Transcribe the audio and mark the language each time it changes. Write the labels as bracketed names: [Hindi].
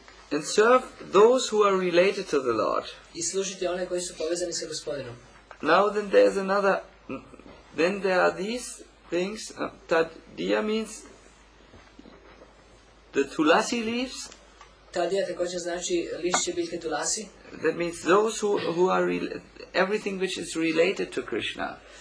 [English] And serve those who are related to the Lord. [Serbian] I služite one koji su povezani sa gospodinom. [English] Now then there is another then there are these things, tadia means the tulasi leaves. [Serbian] Tadia također znači lišće biljke tulasi. [English] That means those who are everything which is related to Krishna.